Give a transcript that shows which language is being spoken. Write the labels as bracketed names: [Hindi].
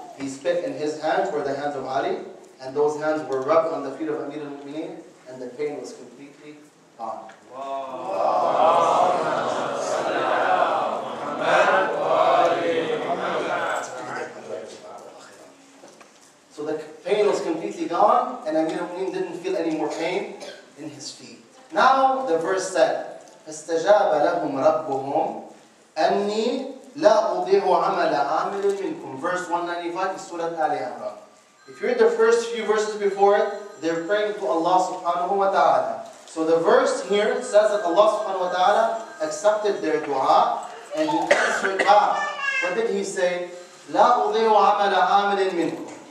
[English] He spit in his hands, were the hands of Ali, and those hands were rubbed on the feet of Amir al-Mu'mineen, and the pain was completely gone. So the pain was completely gone, and Amir al-Mu'mineen didn't feel any more pain in his feet. Now the verse said, [Arabic] فَاسْتَجَابَ لَهُمْ رَبُّهُمْ أَنِّي لَا أُضِيعُ عَمَلَ عَامِلٍ مِنْكُمْ. [English] Verse 195 is Surah Ali Imran. If you read the first few verses before it, they're praying to Allah subhanahu wa ta'ala. So the verse here says that Allah subhanahu wa ta'ala accepted their dua and He answered that. What did He say? [Arabic] لَا أُضِيعُ عَمَلَ عَامِلٍ مِنْكُمْ.